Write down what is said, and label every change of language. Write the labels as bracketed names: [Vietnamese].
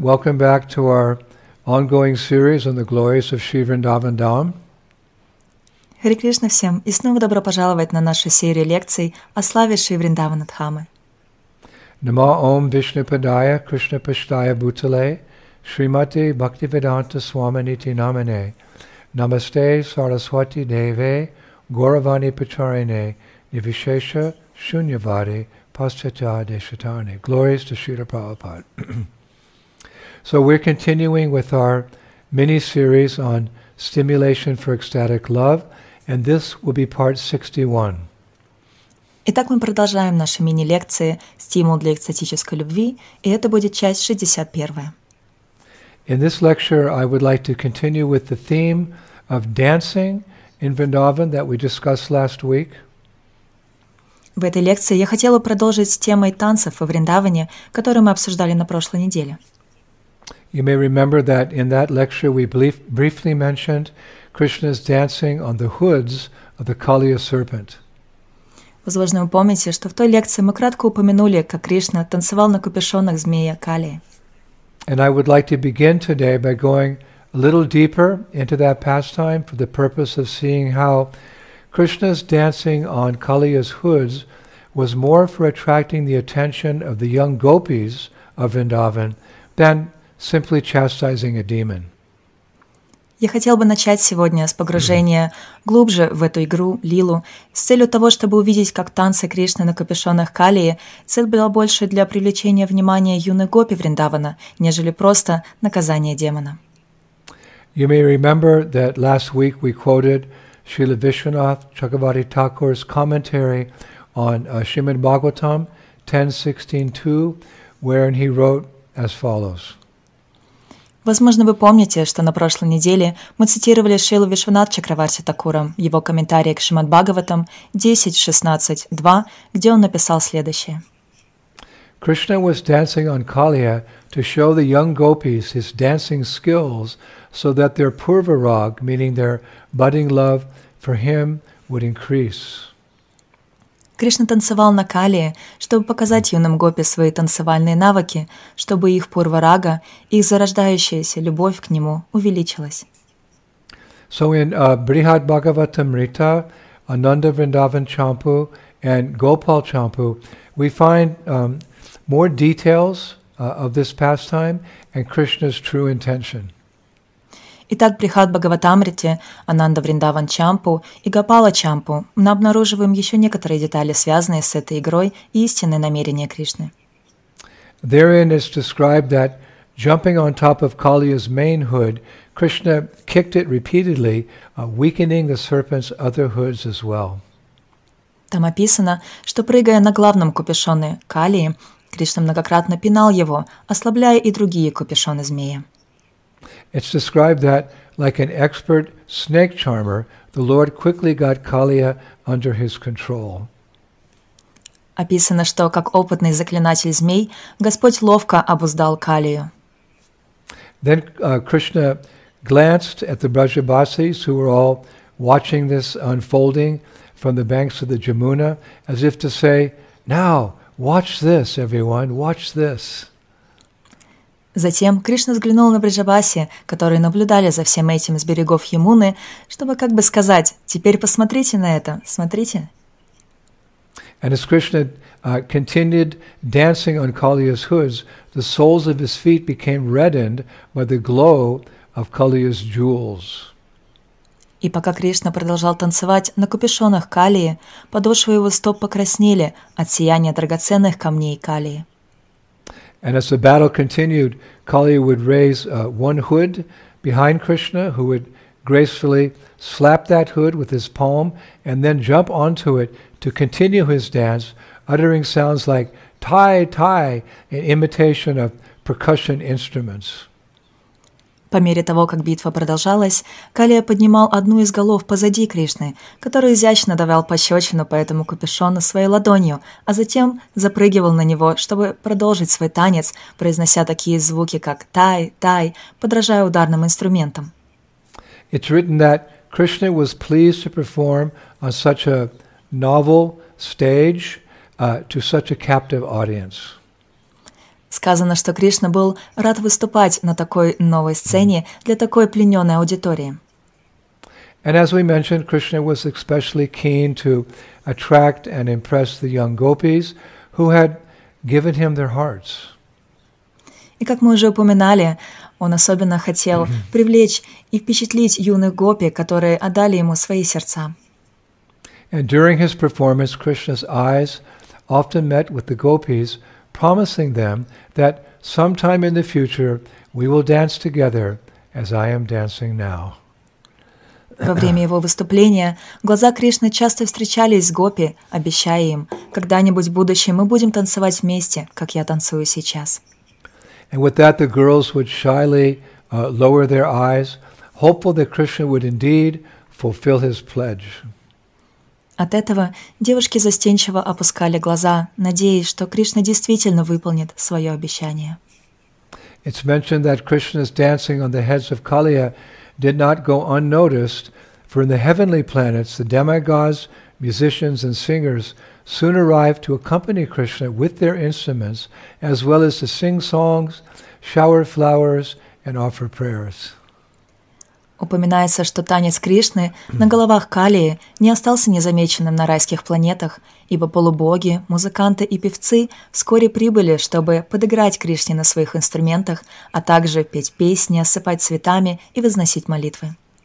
[English] Welcome back to our ongoing series on the glories of Sri Vrindavan Dham. [Russian] Hare Krishna всем. И снова добро пожаловать на нашу серию лекций о славе Шри Вриндавана Дхамы. [Sanskrit] Namo Om Vishnu Padaya Krishna Pashtaya Bhutale Srimati Bhaktivedanta Swaminiti Namane Namaste Saraswati Deve Gauravani Pacharine Nivishesha Shunyavadi Paschata Deshatane. [English] Glories to Srila Prabhupada. So we're continuing with our mini-series on Stimulation for Ecstatic Love, and this will be part 61. [Russian] Итак, мы продолжаем наши мини-лекции «Стимул для экстатической любви», и это будет часть 61. [English] In this lecture, I would like to continue with the theme of dancing in Vrindavan that we discussed last week. [Russian] В этой лекции я хотела продолжить с темой танцев во Вриндаване, которую мы обсуждали на прошлой неделе. [English] You may remember that in that lecture we briefly mentioned Krishna's dancing on the hoods of the Kaliya serpent. [Russian] Возможно, вы помните, что в той лекции мы кратко упомянули, как Кришна танцевал на капюшонах змея Калии. [English] And I would like to begin today by going a little deeper into that pastime for the purpose of seeing how Krishna's dancing on Kaliya's hoods was more for attracting the attention of the young gopis of Vrindavan than simply chastising a demon. [Russian] Я хотел бы начать сегодня с погружения глубже в эту игру, лилу, с целью того, чтобы увидеть, как танцы Кришны на капюшонах Калии, цель была больше для привлечения внимания юных гопи Вриндавана, нежели просто наказание демона. [English] You may remember that last week we quoted Srila Vishwanath Chakravarti Thakur's commentary on Srimad Bhagavatam 10.16.2, wherein he wrote as follows. [Russian] Возможно, вы помните, что на прошлой неделе мы цитировали Шрилу Вишванат Чакраварти Такура, его комментарии к Шримад Бхагаватам 10.16.2, где он написал следующее. [English] Krishna was dancing on Kaliya to show the young gopis his dancing skills so that their purvarag, meaning their budding love for him, would increase. [Russian] Кришна танцевал на Калии, чтобы показать юным гопи свои танцевальные навыки, чтобы их пурварага, их зарождающаяся любовь к нему увеличилась. [English] So in Brihad Bhagavatamrita, Ananda Vrindavan Champu and Gopal Champu, we find more details of this pastime and Krishna's true intention. [Russian] Итак, Брихад Бхагаватамрите, Ананда Вриндаван Чампу и Гопала Чампу мы обнаруживаем еще некоторые детали, связанные с этой игрой и истинные намерения Кришны. [English] Therein is described that jumping on top of Kaliya's main hood, Krishna kicked it repeatedly, weakening the serpent's other hoods as well. [Russian] Там описано, что прыгая на главном капюшоне Калии, Кришна многократно пинал его, ослабляя и другие капюшоны змея. [English] It's described that, like an expert snake charmer, the Lord quickly got Kaliya under his control. [Russian] Описано, что как опытный заклинатель змей, Господь ловко обуздал Калию. [English] Then Krishna glanced at the Brajabasis, who were all watching this unfolding from the banks of the Jamuna, as if to say, "Now, watch this, everyone, watch this." [Russian] Затем Кришна взглянул на Бриджабаси, которые наблюдали за всем этим с берегов Ямуны, чтобы как бы сказать: «Теперь посмотрите на это, смотрите». [English] And as Krishna continued dancing on Kaliya's hoods, the soles of his feet became reddened by the glow of Kaliya's jewels. [Russian] И пока Кришна продолжал танцевать на капюшонах Калии, подошвы его стоп покраснели от сияния драгоценных камней Калии. [English] And as the battle continued, Kaliya would raise one hood behind Krishna, who would gracefully slap that hood with his palm and then jump onto it to continue his dance, uttering sounds like tai tai in imitation of percussion instruments. [Russian] По мере того, как битва продолжалась, Калия поднимал одну из голов позади Кришны, который изящно давал пощечину по этому капюшону своей ладонью, а затем запрыгивал на него, чтобы продолжить свой танец, произнося такие звуки, как «тай», «тай», подражая ударным инструментам. [English] It's written that Krishna was pleased to perform on such a novel stage to such a captive audience. [Russian] Сказано, что Кришна был рад выступать на такой новой сцене для такой плененной аудитории. [English] And as we mentioned, Krishna was especially keen to attract and impress the young gopis who had given him their hearts. [Russian] И как мы уже упоминали, он особенно хотел привлечь и впечатлить юных гопи, которые отдали ему свои сердца. [English] And during his performance, Krishna's eyes often met with the gopis, promising them that sometime in the future we will dance together as I am dancing now. [Russian] Во время его выступления глаза Кришны часто встречались с гопи, обещая им, когда-нибудь в будущем мы будем танцевать вместе, как я танцую сейчас. [English] And with that, the girls would shyly lower their eyes, hopeful that Krishna would indeed fulfill his pledge. [Russian] От этого девушки застенчиво опускали глаза, надеясь, что Кришна действительно выполнит свое обещание. [English] It's mentioned that Krishna's dancing on the heads of Kaliya did not go unnoticed, for in the heavenly planets, the demigods, musicians, and singers soon arrived to accompany Krishna with their instruments, as well as to sing songs, shower flowers, and offer prayers. [Russian] Упоминается, что танец Кришны на головах Калии не остался незамеченным на райских планетах, ибо полубоги, музыканты и певцы вскоре прибыли, чтобы подыграть Кришне на своих инструментах, а также петь песни, осыпать цветами и возносить молитвы.